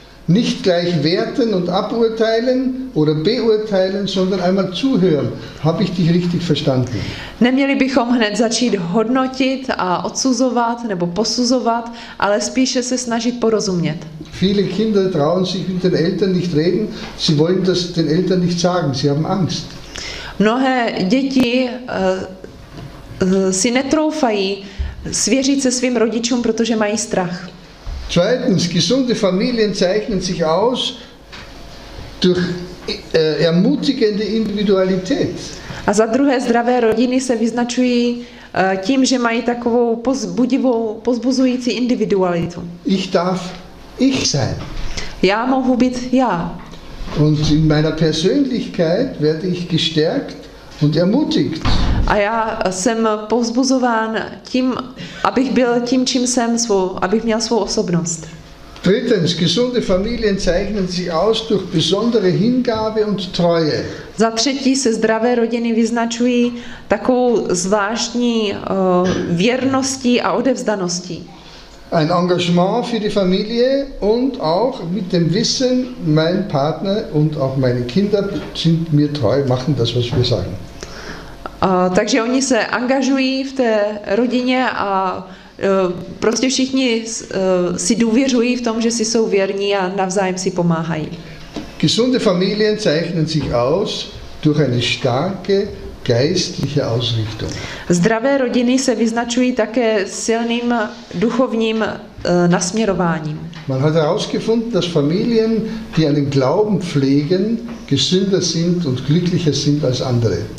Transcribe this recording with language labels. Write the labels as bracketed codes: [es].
[de] Nicht gleich werten und aburteilen oder beurteilen, sondern einmal zuhören. Habe ich dich richtig verstanden? [cs] Neměli bychom hned začít hodnotit a odsuzovat nebo posuzovat, ale spíše se snažit porozumět. [de] Viele Kinder trauen sich mit den Eltern nicht reden, sie wollen das den Eltern nicht sagen, sie haben Angst. [cs] Mnohé děti si netroufají svěřit se svým rodičům, protože mají strach. [de] Zweitens, gesunde Familien zeichnen sich aus durch ermutigende Individualität. [cs] A za druhé, zdravé rodiny se vyznačují tím, že mají takovou pozbuzující individualitu. [de] Ich darf ich sein. [cs] Já mohu být já. [de] Und in meiner Persönlichkeit werde ich gestärkt und ermutigt. [cs] A já jsem povzbuzován tím, abych byl tím, čím jsem, abych měl svou osobnost. [de] Drittens, gesunde Familien zeichnen sich aus durch besondere Hingabe und Treue. [cs] Za třetí se zdravé rodiny vyznačují takovou zvláštní věrností a odevzdaností. [de] Ein Engagement für die Familie und auch mit dem Wissen, mein Partner und auch meine Kinder sind mir treu, machen das, was wir sagen. [cs] Takže oni se angažují v té rodině a prostě všichni si důvěřují v tom, že si jsou věrní a navzájem si pomáhají. [de] Gesunde Familien zeichnen sich aus durch eine starke geistliche Ausrichtung. [cs] Zdravé rodiny se vyznačují také silným duchovním nasměrováním. [de] Man hat herausgefunden, dass Familien, die einen Glauben pflegen, gesünder sind und glücklicher sind als andere.